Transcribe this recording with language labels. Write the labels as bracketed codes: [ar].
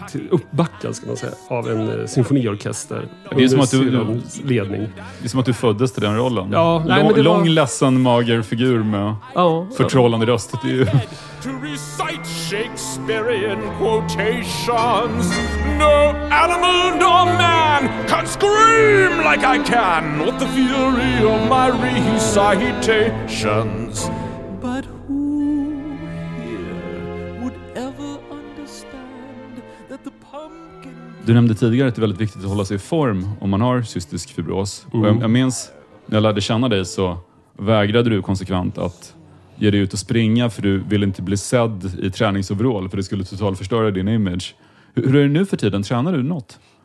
[sv] uppbackad ska man säga, av en symfoniorkester. Det är som att du ledning. Det är som att du föddes till den rollen. Ja, lång ledsen mager figur med förtrollande röst. Det är ju [en] to recite Shakespearean quotations. No animal nor man can scream like I can with the fury of my recitations. But who here would ever understand that the pumpkin... [sv] Du nämnde tidigare att det är väldigt viktigt att hålla sig i form om man har cystisk fibros. Mm. Jag minns när jag lärde känna dig så vägrade du konsekvent att ger dig ut och springa för du vill inte bli sedd i träningsoverall för det skulle totalt förstöra din image. Hur är det nu för tiden? Tränar du något?